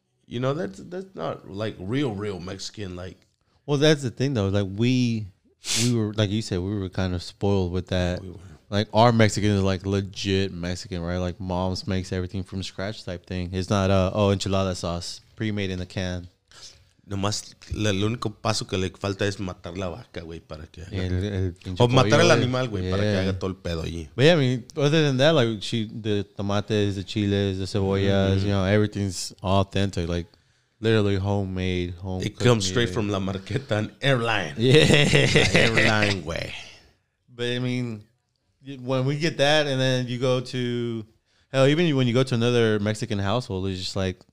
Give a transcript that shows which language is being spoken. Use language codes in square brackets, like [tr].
[en] You know, that's not like real Mexican. Like, well, that's the thing though. Like we were, like you said, we were kind of spoiled with that. Yeah, we were. Like our Mexican is like legit Mexican, right? Like mom's makes everything from scratch type thing. It's not enchilada sauce, pre-made in a can. [es] No más, el único paso que le falta es matar la vaca, güey, para que haga. O matar el animal, güey, para que haga todo el pedo allí. [en] But yeah, I mean, other than that, like, the tomates, the chiles, the cebollas, you know, everything's authentic, like, literally homemade, home. It comes straight from La Marqueta and Airline. Yeah. [es] Airline, güey. [en] But I mean, when we get that, and then you go to, hell, even when you go to another Mexican household, it's just like,